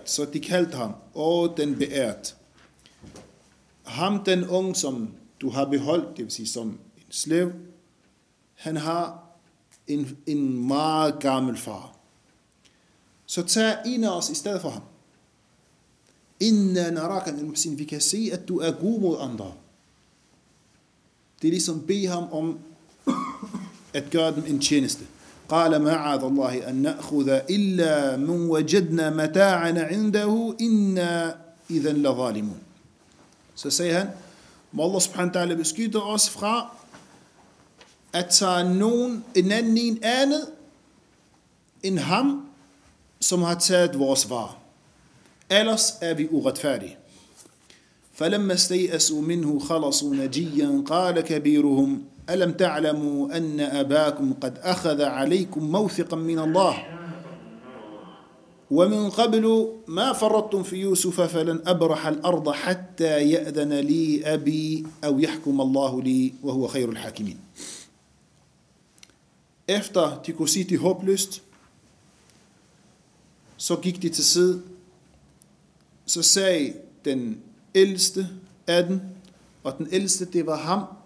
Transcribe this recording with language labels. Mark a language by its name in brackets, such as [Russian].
[Danish] Så de kaldte ham, og den beæret. Ham, den unge, som du har beholdt, det vil sige som en slave, han har en meget gammel far. Så tag en af os i stedet for ham. Inden narakan al-Muhsin, vi kan se, at du er god mod andre. Det er ligesom bede ham om at gøre dem en tjeneste. [Arabic] قال معاذ الله أن نأخذ إلا من وجدنا متاعنا عنده إن إذا لظالمون. [Danish] Så siger han, må Allah subhanahu wa ta'ala beskytte os fra at tage nogen en anden andet end ham, som har taget vores var. Ellers er vi uretfærdige. [Arabic] فلما استيأسوا منه خلصوا نجيا قال كبيرهم ألم تعلموا أن أباكم قد أخذ عليكم موثقا من الله ومن قبل ما فرطتم في يوسف فلن أبرح الأرض حتى يأذن لي أبي أو يحكم الله لي وهو خير الحاكمين. [Danish] Efter de kunne sige de håbløst, så gik de til side, så sagde den ældste af dem, og den ældste det var ham,